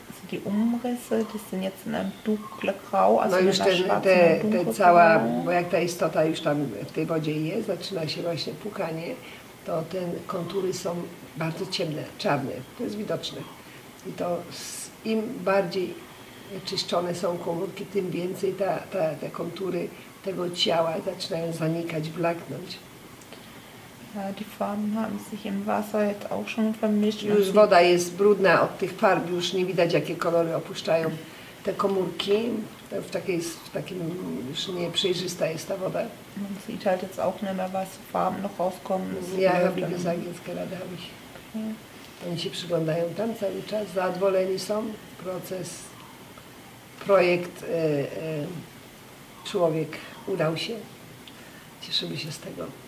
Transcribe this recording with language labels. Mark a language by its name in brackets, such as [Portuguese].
[German] Die Umrisse, die sind jetzt in einem dunklen Grau, also [Polish] no już te cała, bo jak ta istota już tam w tej wodzie jest, zaczyna się właśnie płukanie, to te kontury są bardzo ciemne, czarne, to jest widoczne. I to im bardziej czyszczone są komórki, tym więcej te kontury tego ciała zaczynają zanikać, blaknąć. [German] Die Farben haben sich im Wasser jetzt auch schon vermischt. [Polish] Już woda jest brudna od tych farb, już nie widać, jakie kolory opuszczają te komórki. W takim już nieprzejrzysta jest ta woda. [German] Man sieht halt jetzt auch nicht mehr, was Farben noch rauskommen. Ja, habe ich gesagt, jetzt gerade habe ich. Okay. [Polish] Oni się przyglądają tam cały czas, zadowoleni są. Proces, projekt, człowiek udał się. Cieszymy się z tego.